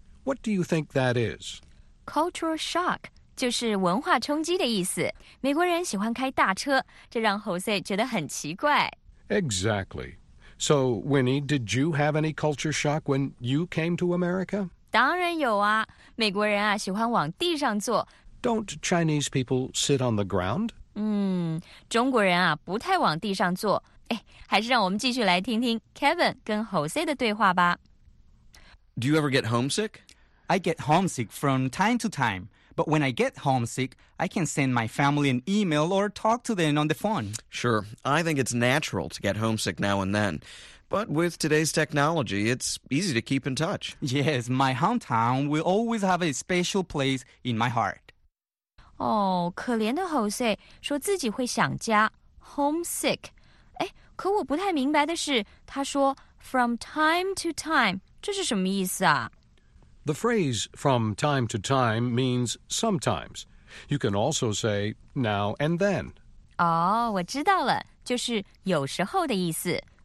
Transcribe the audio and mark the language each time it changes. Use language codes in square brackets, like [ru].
[en] What do you think that is? [zh] Cultural shock 就是文化冲击的意思。美国人喜欢开大车，这让 Jose 觉得很奇怪。 [en] Exactly. So, Winnie, did you have any culture shock when you came to America? [zh] 当然有啊。美国人啊，喜欢往地上坐。 [en] Don't Chinese people sit on the ground? [zh] 中国人啊，不太往地上坐。哎，还是让我们继续来听听 Kevin 跟 Jose 的对话吧。 [en] Do you ever get homesick? I get homesick from time to time. But when I get homesick, I can send my family an email or talk to them on the phone. Sure. I think it's natural to get homesick now and then. But with today's technology, it's easy to keep in touch. Yes, my hometown will always have a special place in my heart. [zh] 哦，可怜的Jose 说自己会想家， homesick。哎，可我不太明白的是，他说 from time to time， 这是什么意思啊？ [en] The phrase from time to time means sometimes. You can also say now and then. [zh] 哦，我知道了，就是有时候的意思。